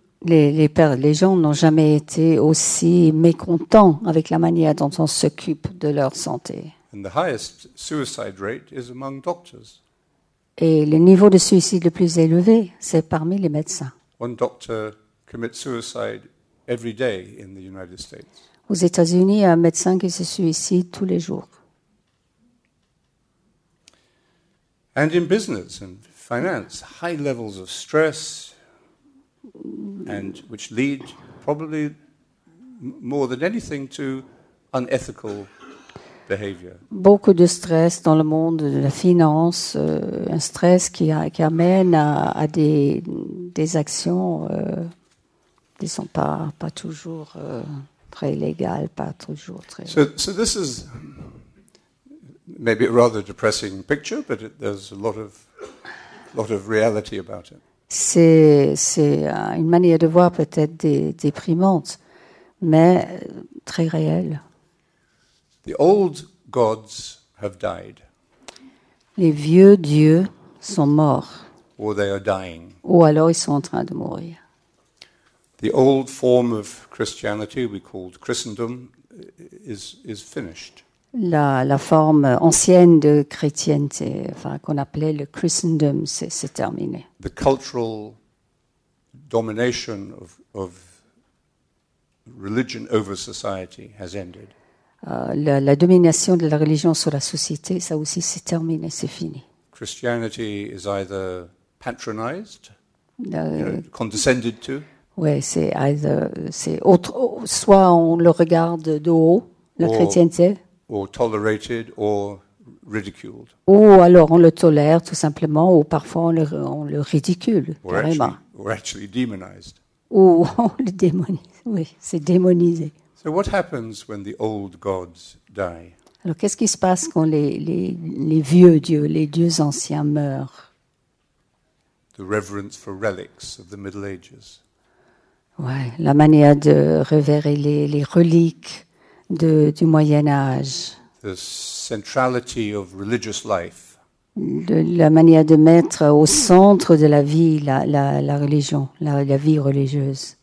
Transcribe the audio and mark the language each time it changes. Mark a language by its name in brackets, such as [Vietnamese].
[French] Les gens n'ont jamais été aussi mécontents avec la manière dont on s'occupe de leur santé. [English] And the highest suicide rate is among doctors. [French] Et le niveau de suicide le plus élevé, c'est parmi les médecins. [English] One doctor commits suicide every day in the United States. [French] Aux États-Unis, un médecin qui se suicide tous les jours. [English] And in business and finance, high levels of stress, and which lead probably more than anything to unethical behavior. [French] Beaucoup de stress dans le monde de la finance, un stress qui amène à des actions qui sont pas toujours très légales, pas toujours très. [English] So this is. Maybe a rather depressing picture, but there's a lot of reality about it. [French] C'est une manière de voir peut-être déprimante, mais très réelle. [English] The old gods have died. [French] Les vieux dieux sont morts. [English] Or they are dying. [French] Ou alors ils sont en train de mourir. [English] The old form of Christianity we called Christendom is finished. [French] La forme ancienne de chrétienté, enfin, qu'on appelait le Christendom, c'est terminé. [English] The cultural domination of religion over society has ended. [French] La domination de la religion sur la société, ça aussi, c'est terminé, c'est fini. [English] Christianity is either patronized, condescended to. [French] Oui, c'est either, c'est autre, soit on le regarde de haut, la chrétienté. [English] Or tolerated, or ridiculed. [French] Ou alors on le tolère tout simplement, ou parfois on le ridicule carrément. [English] Or actually demonized. [French] Ou on le démonise. Oui, c'est démonisé. [English] So what happens when the old gods die? [French] Alors qu'est-ce qui se passe quand les vieux dieux, les dieux anciens meurent? [English] The reverence for relics of the Middle Ages. [French] Ouais, la manière de révérer les reliques du Moyen Âge. [English] The centrality of religious life. [French] La manière de mettre au centre de la vie la religion, la vie religieuse.